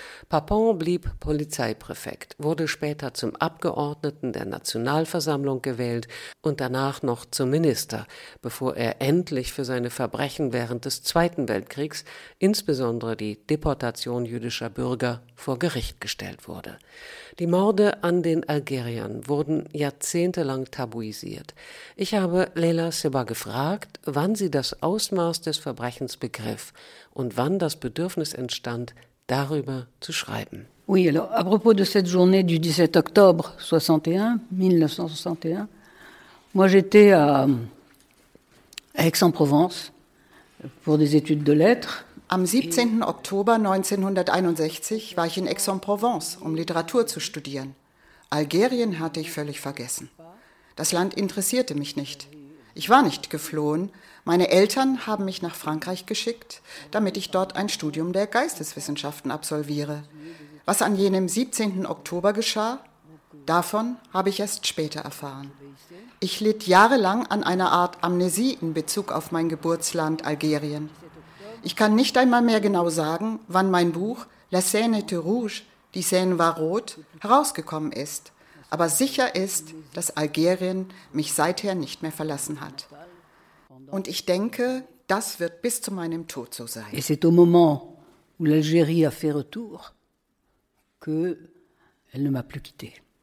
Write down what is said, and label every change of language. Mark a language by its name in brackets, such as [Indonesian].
[German] Papon blieb Polizeipräfekt, wurde später zum Abgeordneten der Nationalversammlung gewählt und danach noch zum Minister, bevor er endlich für seine Verbrechen während des Zweiten Weltkriegs, insbesondere die Deportation jüdischer Bürger, vor Gericht gestellt wurde. Die Morde an den Algeriern wurden jahrzehntelang tabuisiert. Ich habe Leyla Sebar gefragt, wann sie das Ausmaß des Verbrechens begriff und wann das Bedürfnis entstand, darüber zu schreiben. [French] Oui, alors à propos de cette journée du 17 octobre 1961, moi j'étais à Aix-en-Provence pour des études de lettres. [German] Am 17. Oktober 1961 war ich in Aix-en-Provence, um Literatur zu studieren. Algerien hatte ich völlig vergessen. Das Land interessierte mich nicht. Ich war nicht geflohen. Meine Eltern haben mich nach Frankreich geschickt, damit ich dort ein Studium der Geisteswissenschaften absolviere. Was an jenem 17. Oktober geschah, davon habe ich erst später erfahren. Ich litt jahrelang an einer Art Amnesie in Bezug auf mein Geburtsland Algerien. Ich kann nicht einmal mehr genau sagen, wann mein Buch La Seine était rouge, die Seine war rot, herausgekommen ist. Aber sicher ist, dass Algerien mich seither nicht mehr verlassen hat. Und ich denke, das wird bis zu meinem Tod so sein. [French] Et c'est au moment où l'Algérie a fait retour que elle ne m'a plus quitté.